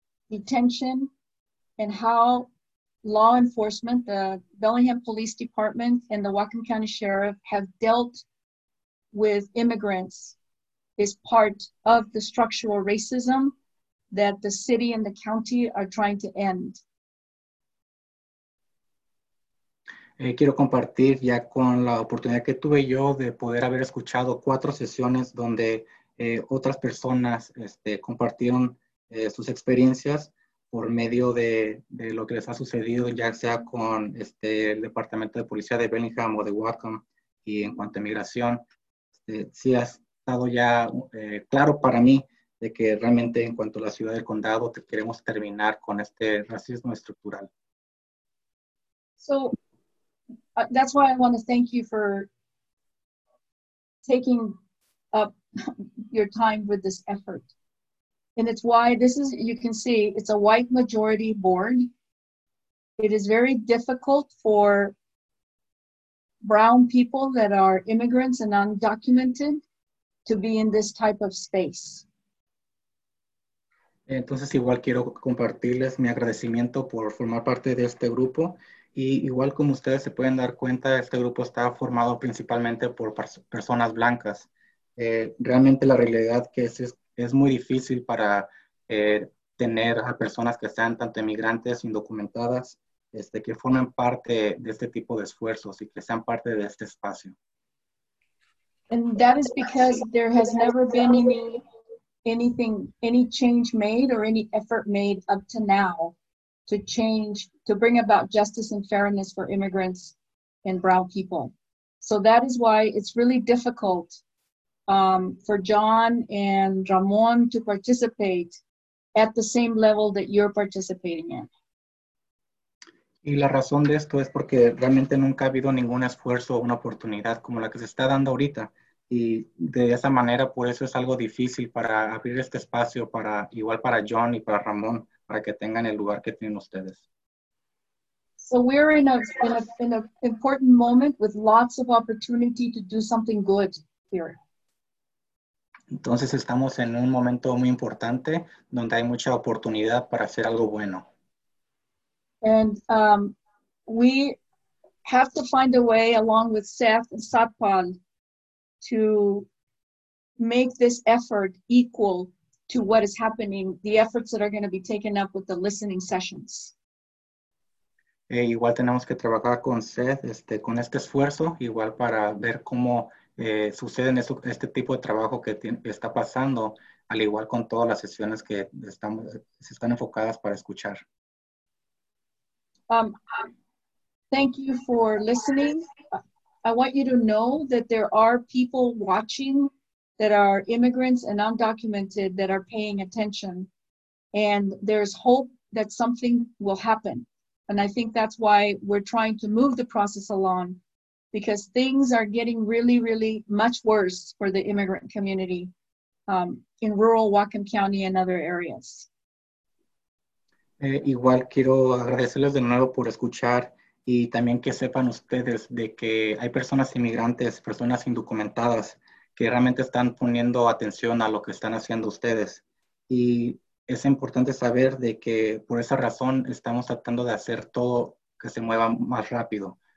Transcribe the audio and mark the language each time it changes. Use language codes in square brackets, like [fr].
[en] detention, and how law enforcement, the Bellingham Police Department and the Whatcom County Sheriff have dealt with immigrants is part of the structural racism that the city and the county are trying to end. [es] Quiero compartir ya con la oportunidad que tuve yo de poder haber escuchado cuatro sesiones donde otras personas compartieron sus experiencias por medio de lo que les ha sucedido, ya sea con el Departamento de Policía de Bellingham o de Whatcom, y en cuanto a migración. Sí ha estado ya claro para mí de que realmente en cuanto a la ciudad del condado queremos terminar con este racismo estructural. [en] So, that's why I want to thank you for taking up your time with this effort. And it's why this is, you can see, it's a white majority board. It is very difficult for brown people that are immigrants and undocumented to be in this type of space. [es] Entonces, igual quiero compartirles mi agradecimiento por formar parte de este grupo. Y igual como ustedes se pueden dar cuenta, este grupo está formado principalmente por personas blancas. Realmente la realidad que es muy difícil para tener a personas que sean tanto inmigrantes, indocumentadas, que formen parte de este tipo de esfuerzos y que sean parte de este espacio. [en] And that is because there has never been any change made or any effort made up to now to change, to bring about justice and fairness for immigrants and brown people. So that is why it's really difficult for John and Ramon to participate at the same level that you're participating in. [es] Y la razón de esto es porque realmente nunca ha habido ningún esfuerzo o una oportunidad como la que se está dando ahorita. Y de esa manera, por eso es algo difícil para abrir este espacio para, igual para John y para Ramon, para que tengan el lugar que tienen ustedes. [en] So we're in a important moment with lots of opportunity to do something good here. [es] Entonces estamos en un momento muy importante donde hay mucha oportunidad para hacer algo bueno. [en] And we have to find a way along with SEF and Satpam to make this effort equal to what is happening, the efforts that are going to be taken up with the listening sessions. [es] Igual tenemos que trabajar con SEF con este esfuerzo, igual para ver cómo suceden este tipo de trabajo que está pasando, al igual con todas las sesiones que se están enfocadas para escuchar. [en] Thank you for listening. I want you to know that there are people watching that are immigrants and undocumented that are paying attention, and there's hope that something will happen. And I think that's why we're trying to move the process along, because things are getting really, really much worse for the immigrant community in rural Whatcom County and other areas. [es] Igual quiero agradecerles de nuevo por escuchar y también que sepan ustedes de que hay personas inmigrantes, personas indocumentadas que realmente están poniendo atención a lo que están haciendo ustedes. Y es importante saber de que por esa razón estamos tratando de hacer todo que se mueva más rápido.